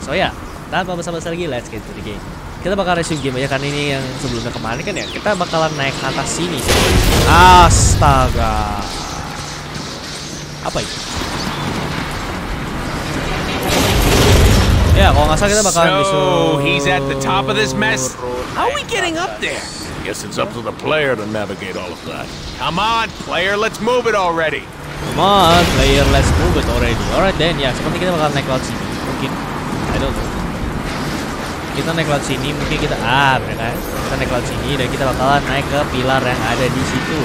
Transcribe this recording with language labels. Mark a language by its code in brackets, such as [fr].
[id] So ya, tanpa basa-basi lagi, [en] let's get to the game. [id] Kita bakal resume game aja karena ini yang sebelumnya kemarin kan ya. Kita bakalan naik ke atas sini. Astaga. Apa itu? Ya, kalau enggak salah kita bakalan disuruh. [en] He's at the top of this mess. How are we getting up there? I guess it's up to the player to navigate all of that. Come on, player, let's move it already. Come on, player, let's move it already. Alright then, [id] ya, seperti kita bakal naik laut sini. Mungkin, [en] I don't know. [id] Kita naik laut sini, mungkin kita, kita naik laut sini dan kita bakalan naik ke pilar yang ada di situ.